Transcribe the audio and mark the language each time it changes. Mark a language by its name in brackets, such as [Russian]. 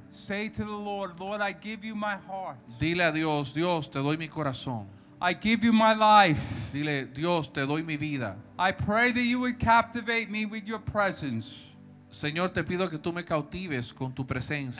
[English] Say to the Lord, Lord, I give you my heart. [Spanish] Dile a Dios, Dios, te doy mi corazón. [English] I give you my life. [Spanish] Dile, Dios, te doy mi vida. [English] I pray that you would captivate me with your presence. [Spanish] Señor, te pido que tú me cautives con tu presencia.